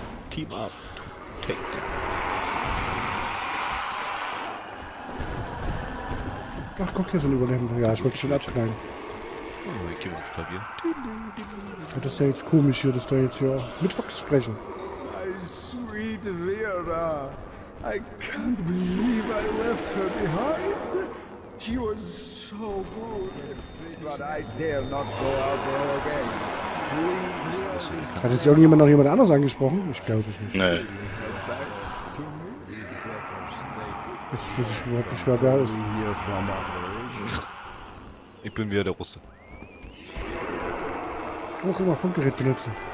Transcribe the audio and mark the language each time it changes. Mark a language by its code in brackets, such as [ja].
[en] Team up. Take them. [de] Ach, guck, hier ist ein Überlebender. Ja, ich wollte schon abknallen. Oh, ich geh mal ins Klavier. Ja, das ist ja jetzt komisch hier, dass da jetzt hier mit Fox sprechen. [en] Sweet Vera, I can't believe I left her behind. She was so good, but I dare not go out there again. [de] Hat jetzt irgendjemand noch jemand anders angesprochen? Ich glaube es nicht. Nein. Jetzt muss ich überhaupt nicht mehr wer ist. Ich bin wieder der Russe. Oh, guck mal, Funkgerät benutzen.